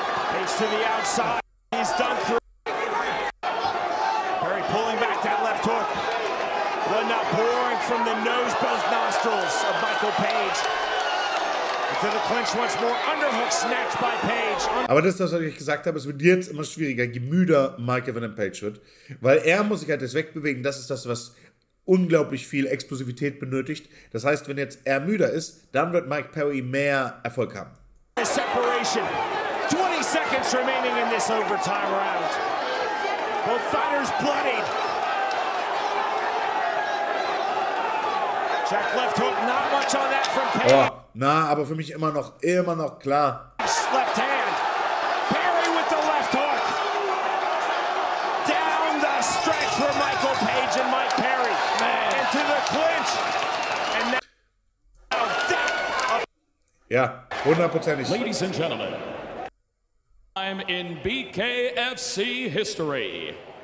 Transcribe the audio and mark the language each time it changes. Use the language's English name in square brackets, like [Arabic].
[English] Page to the outside. He's done through. Perry pulling back that left hook. Blood now pouring from the nose, both nostrils of Michael Page. To the clinch once more. Underhook snatched by Page. [German] Aber das ist das, was ich gesagt habe, es wird jetzt immer schwieriger, je müder Michael Van Page wird, weil er muss sich halt jetzt wegbewegen, das ist das, was unglaublich viel Explosivität benötigt. Das heißt, wenn jetzt er müder ist, dann wird Mike Perry mehr Erfolg haben. [English] A separation. 20 seconds remaining in this overtime round. Both fighters bloodied. Check left hook, not much on that from Page. Oh. [German] Na, aber für mich immer noch klar. [English] Left hand. Perry with the left hook. Down the stretch for Michael Page and Mike Perry. Man. Into the clinch. And now. [German] Ja, hundertprozentig. [English] Ladies and gentlemen, I'm in BKFC history.